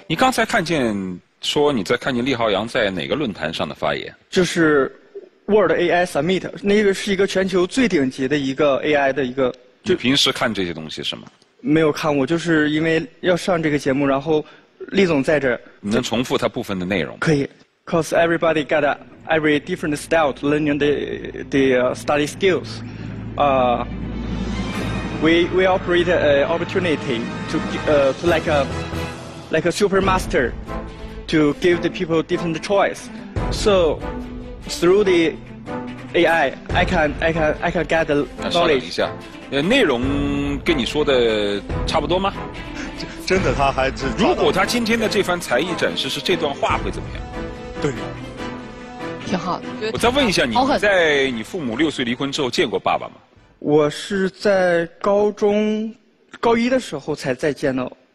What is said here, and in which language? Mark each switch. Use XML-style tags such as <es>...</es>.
<zh>你刚才看见说你在看见栗浩洋在哪个论坛上的发言？就是 Word AI Summit， 那个是一个全球最顶级的一个 AI 的一个。你平时看这些东西是吗？没有看，我就是因为要上这个节目，然后栗总在这儿。你能重复他部分的内容吗？可以。</zh> <en>Cause everybody got every different style to learning the study skills. We operate an opportunity to like a like a supermaster to give the people different choice. So through the AI, I can get the knowledge.</en> <zh>稍等一下，内容跟你说的差不多吗？真的，他还是。如果他今天的这番才艺展示是这段话，会怎么样？对。挺好的，我再问一下你，在你父母6岁离婚之后见过爸爸吗？我是在高中高一的时候才再见到。</zh>